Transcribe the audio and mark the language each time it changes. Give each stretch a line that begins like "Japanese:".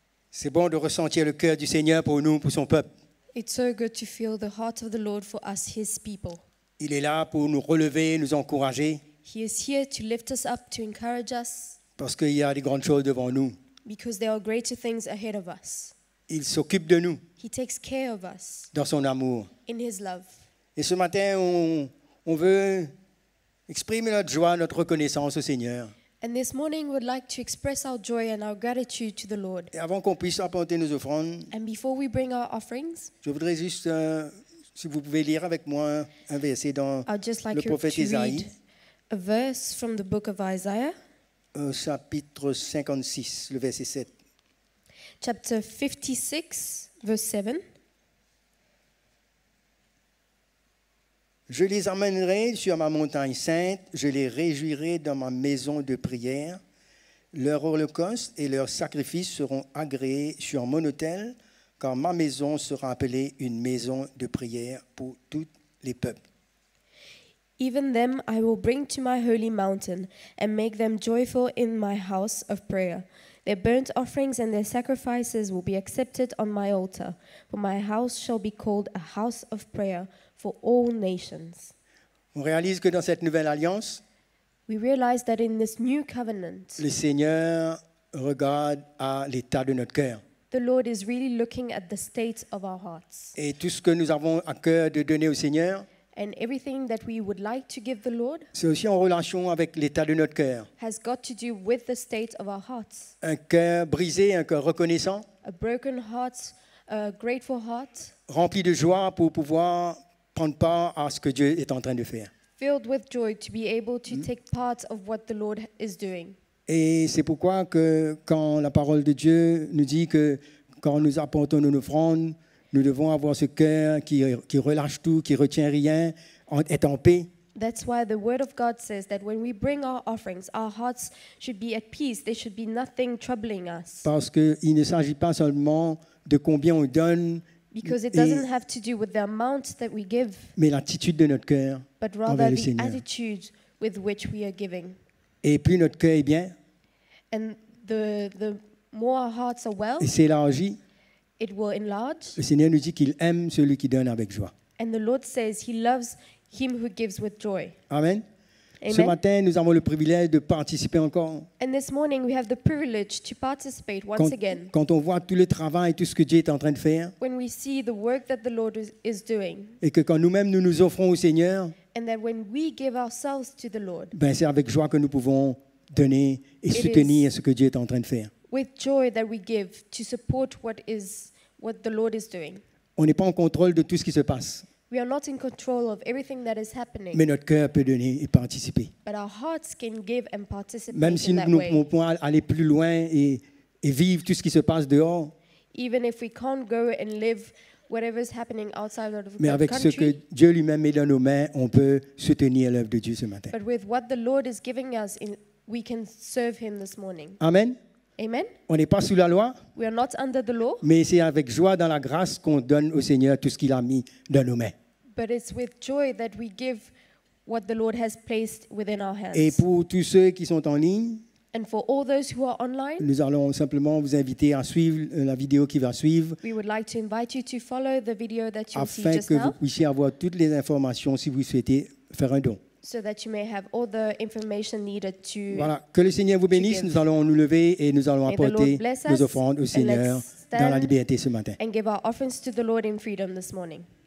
French: C'est bon de ressentir le cœur du Seigneur pour nous, pour son peuple.
English: It's so good to feel the heart of the Lord for us, his people.
French: Il est là pour nous relever, nous encourager.
English: He is here to lift us up, to encourage us.
French: Parce qu'il y a des grandes choses devant nous.
English: Because there are greater things ahead of us.
French: Il s'occupe de nous.
English: He takes care of us.
French: Dans son amour.
English: In his love.
French: Et ce matin, on veut exprimer notre joie, notre reconnaissance au Seigneur.
English: And this morning, we'd like to express our joy and our gratitude to the Lord.
French: Et avant qu'on puisse apporter nos offrandes,
English: and before we bring our offerings,
French: je voudrais juste, si vous pouvez lire avec moi un verset dans
English: like
French: le prophète Isaïe.
English: I'd just like to read a verse from the book of Isaiah.
French: Au chapitre 56, le verset 7.
English: Chapter 56, verse 7.
French: Je les emmènerai sur ma montagne sainte, je les réjouirai dans ma maison de prière. Leur holocauste et leurs sacrifices seront agréés sur mon autel, car ma maison sera appelée une maison de prière pour tous les peuples.
English: Even them I will bring to my holy mountain and make them joyful in my house of prayer. Their burnt offerings and their sacrifices will be accepted on my altar, for my house shall be called a house of prayer for all nations.
French: On réalise que dans cette nouvelle alliance,
English: we realize that in this new covenant,
French: le Seigneur regarde à l'état de notre cœur.
English: The Lord is really looking at the state of our hearts.
French: Et tout ce que nous avons à cœur de donner au Seigneur,
English: and everything that we would like to give the Lord,
French: c'est aussi en relation avec l'état de notre cœur.
English: Has got to do with the state of our hearts.
French: Un cœur brisé, un cœur reconnaissant,
English: a broken heart, a grateful heart,
French: rempli de joie pour pouvoir prendre part à ce que Dieu est en train de faire.
English: Filled with joy to be able to take part of what the Lord is doing.
French: Et c'est pourquoi que quand la parole de Dieu nous dit que quand nous apportons nos offrandes, nous devons avoir ce cœur qui relâche tout, qui retient rien, être en paix.
English: That's why the word of God says that when we bring our offerings, our hearts should be at peace, there should be nothing troubling us.
French: Parce que il ne s'agit pas seulement de combien on donne,
English: because it doesn't have to do with the amount that we give,
French: mais l'attitude de notre cœur envers le Seigneur.
English: But rather the attitude with which we are giving.
French: Et plus notre cœur est bien,
English: and the more our hearts are well,
French: et s'élargit,
English: it will enlarge.
French: Le Seigneur nous dit qu'il aime celui qui donne avec joie.
English: And the Lord says he loves him who gives with joy.
French: Amen.
English: Amen.
French: Ce matin, nous avons le privilège de participer encore.
English: And this morning, we have the privilege to participate once again.
French: Quand on voit tout le travail et tout ce que Dieu est en train de faire.
English: When we see the work that the Lord is doing.
French: Et que quand nous-mêmes nous nous offrons au Seigneur.
English: And that when we give ourselves to the Lord.
French: Ben c'est avec joie que nous pouvons donner et soutenir ce que Dieu est en train de faire.
English: With joy that we give to support what the Lord is doing.
French: On n'est pas en contrôle de tout ce qui se passe.
English: We are not in control of everything that is happening.
French: Mais notre cœur peut donner et participer.
English: But our hearts can give and participate.
French: Même si nous ne pouvons pas aller plus loin et vivre tout ce qui se passe dehors.
English: Even if we can't go and live whatever is happening outside of the country.
French: Mais avec ce que Dieu lui-même met dans nos mains, on peut soutenir l'œuvre de Dieu ce matin.
English: But with what the Lord is giving us, we can serve him this morning.
French: Amen.
English: Amen.
French: On n'est pas sous la loi.
English: We are not under the law.
French: Mais c'est avec joie dans la grâce qu'on donne au Seigneur tout ce qu'il a mis dans nos mains.
English: But it's with joy that we give what the Lord has placed within our hands.
French: Et pour tous ceux qui sont en ligne,
English: and for all those who are online,
French: nous allons simplement vous inviter à suivre la vidéo qui va suivre.
English: We would like to invite you to follow the video that you'll see just now.
French: Afin que vous puissiez avoir toutes les informations si vous souhaitez faire un don.
English: So that you may have all the information needed to.
French: Voilà, que le Seigneur vous bénisse. Nous allons nous lever et nous allons apporter nos offrandes au Seigneur dans la liberté ce matin.
English: And give our offerings to the Lord in freedom this morning.